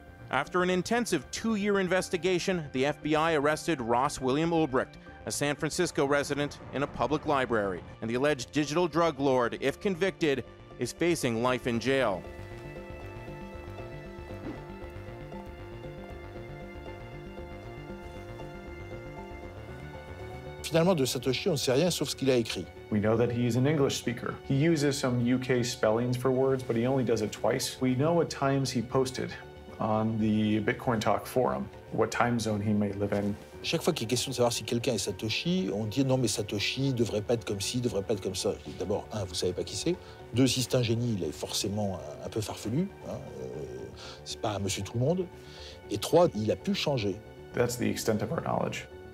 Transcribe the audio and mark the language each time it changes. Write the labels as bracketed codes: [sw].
[en] After an intensive 2-year investigation, the FBI arrested Ross William Ulbricht, a San Francisco resident in a public library, and the alleged digital drug lord, if convicted, is facing life in jail. [fr] Finalement, de Satoshi, on ne sait rien sauf ce qu'il a écrit. [en] We know that he's an English speaker. He uses some UK spellings for words, but he only does it twice. We know what times he posted on the Bitcoin Talk forum, what time zone he may live in. [fr] Chaque fois qu'il est question de savoir si quelqu'un est Satoshi, on dit non, mais Satoshi ne devrait pas être comme ci, ne devrait pas être comme ça. D'abord, un, vous ne savez pas qui c'est. Deux, si c'est un génie, il est forcément un peu farfelu. Hein. C'est pas un monsieur tout le monde. Et trois, il a pu changer. [en] That's the extent of our knowledge.